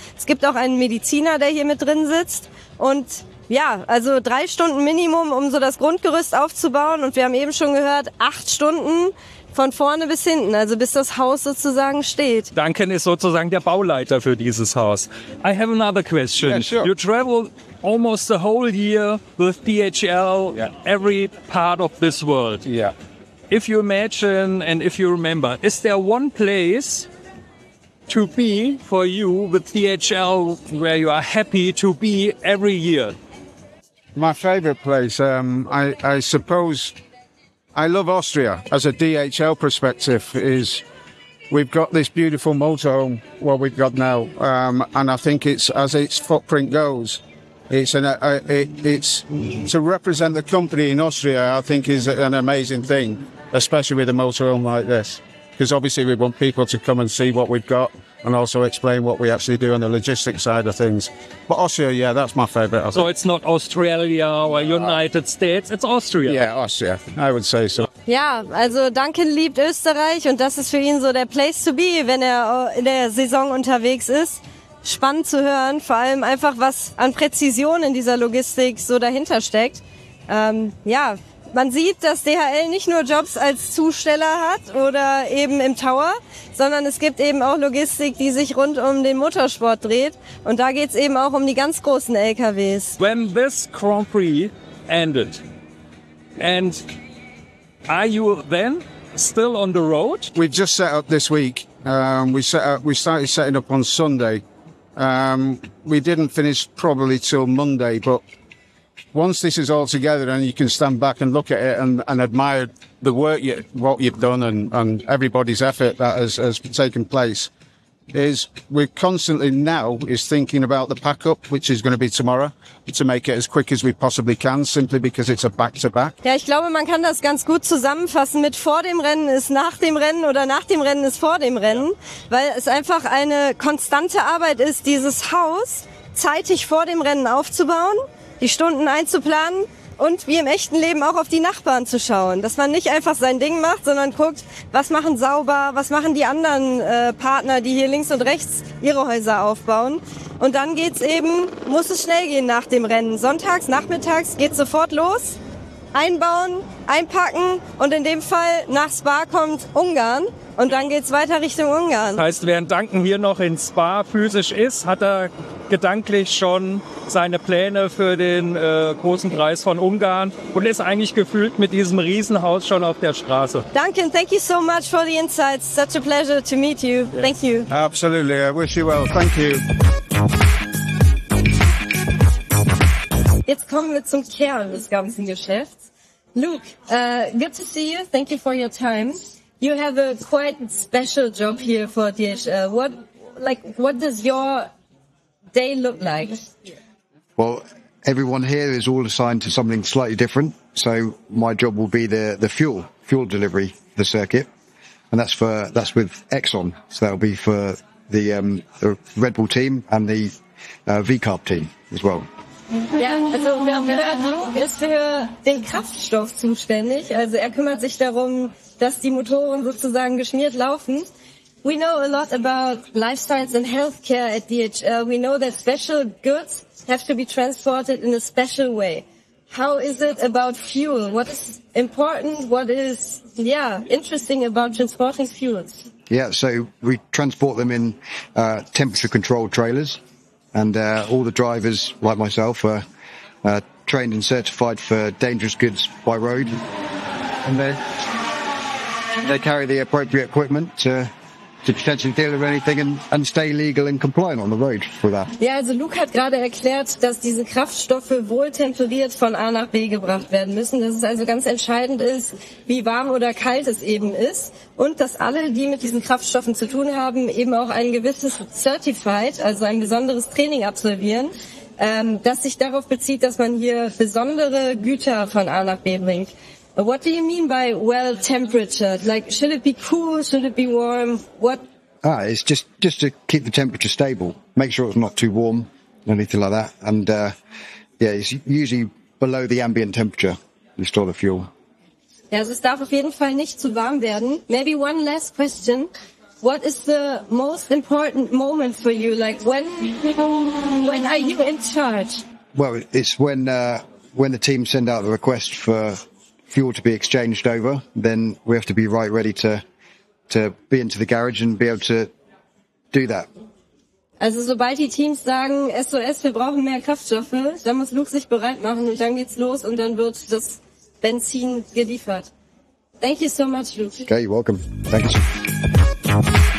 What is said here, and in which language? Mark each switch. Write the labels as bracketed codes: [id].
[de] Es gibt auch einen Mediziner, der hier mit drin sitzt. Und ja, also 3 Stunden Minimum, um so das Grundgerüst aufzubauen. Und wir haben eben schon gehört, 8 Stunden von vorne bis hinten, also bis das Haus sozusagen steht. Duncan ist sozusagen der Bauleiter für dieses Haus. [en] I have another question. Yeah, sure. You travel almost the whole year with DHL, every part of this world. Yeah. If you imagine and if you remember, is there one place to be for you with DHL where you are happy to be every year? My favorite place, I suppose... I love Austria as a DHL perspective. Is we've got this beautiful motorhome, what we've got now, and I think it's, as its footprint goes, it's to represent the company in Austria, I think, is an amazing thing, especially with a motorhome like this, because obviously we want people to come and see what we've got and also explain what we actually do on the logistics side of things. But Austria, yeah, that's my favorite. So it's not Australia or United States, it's Austria. Yeah, Austria, I would say so. [de] Ja, also Duncan liebt Österreich und das ist für ihn so der [en] place to be, [de] wenn er in der Saison unterwegs ist. spannend zu hören, vor allem einfach, was an Präzision in dieser Logistik so dahinter steckt. Ja, man sieht, dass DHL nicht nur Jobs als Zusteller hat oder eben im Tower, sondern es gibt eben auch Logistik, die sich rund um den Motorsport dreht. Und da geht's eben auch um die ganz großen LKWs. [en] When this Grand Prix ended, and are you then still on the road? We just set up this week. We started setting up on Sunday. We didn't finish probably till Monday, but once this is all together and you can stand back and look at it and admire the work what you've done and everybody's effort that has taken place, is we're constantly now is thinking about the pack up, which is going to be tomorrow, to make it as quick as we possibly can, simply because it's a back-to-back. [de] Ja, ich glaube, man kann das ganz gut zusammenfassen mit vor dem Rennen ist nach dem Rennen oder nach dem Rennen ist vor dem Rennen, yeah. Weil es einfach eine konstante Arbeit ist, dieses Haus zeitig vor dem Rennen aufzubauen, die Stunden einzuplanen und wie im echten Leben auch auf die Nachbarn zu schauen. Dass man nicht einfach sein Ding macht, sondern guckt, was machen sauber, was machen die anderen Partner, die hier links und rechts ihre Häuser aufbauen. Und dann geht's eben, muss es schnell gehen nach dem Rennen. Sonntags, nachmittags geht's sofort los, einbauen, einpacken und in dem Fall nach Spa kommt Ungarn. Und dann geht's weiter Richtung Ungarn. Das heißt, während Duncan hier noch in Spa physisch ist, hat er gedanklich schon seine Pläne für den großen Preis von Ungarn und ist eigentlich gefühlt mit diesem Riesenhaus schon auf der Straße. [en] Duncan, thank you so much for the insights. Such a pleasure to meet you. Yes. Thank you. Absolutely. I wish you well. Thank you. [de] Jetzt kommen wir zum Kern des ganzen Geschäfts. [en] Luke, good to see you. Thank you for your time. You have a quite special job here for DHL. What does your day look like? Well, everyone here is all assigned to something slightly different. So my job will be the fuel delivery, the circuit. And that's with Exxon. So that'll be for the Red Bull team and the V-Carb team as well. [de] Ja, also Luke ist für den Kraftstoff zuständig. Also er kümmert sich darum, dass die Motoren sozusagen geschmiert laufen. [en] We know a lot about life science and healthcare at DHL. We know that special goods have to be transported in a special way. How is it about fuel? What is important? What is, yeah, interesting about transporting fuels? Yeah, so we transport them in temperature-controlled trailers. And all the drivers, like myself, are trained and certified for dangerous goods by road. And they carry the appropriate equipment to potentially deal with anything and stay legal and compliant on the road for that. [de] Ja, also Luke hat gerade erklärt, dass diese Kraftstoffe wohltemperiert von A nach B gebracht werden müssen. Dass es also ganz entscheidend ist, wie warm oder kalt es eben ist. Und dass alle, die mit diesen Kraftstoffen zu tun haben, eben auch ein gewisses Certified, also ein besonderes Training absolvieren, das sich darauf bezieht, dass man hier besondere Güter von A nach B bringt. [en] What do you mean by well temperature? Like, should it be cool? Should it be warm? What? It's just to keep the temperature stable. Make sure it's not too warm or anything like that. And, yeah, it's usually below the ambient temperature you store the fuel. [de] Ja, also es darf auf jeden Fall nicht zu warm werden. [en] Maybe one last question. What is the most important moment for you? Like, when are you in charge? Well, it's when the team send out the request for fuel to be exchanged over, then we have to be right ready to be into the garage and be able to do that. [de] Also sobald die Teams sagen, SOS, wir brauchen mehr Kraftstoffe, dann muss Luke sich bereit machen und dann geht's los und dann wird das Benzin geliefert. [en] Thank you so much, Luke. Okay, you're welcome. Thank you.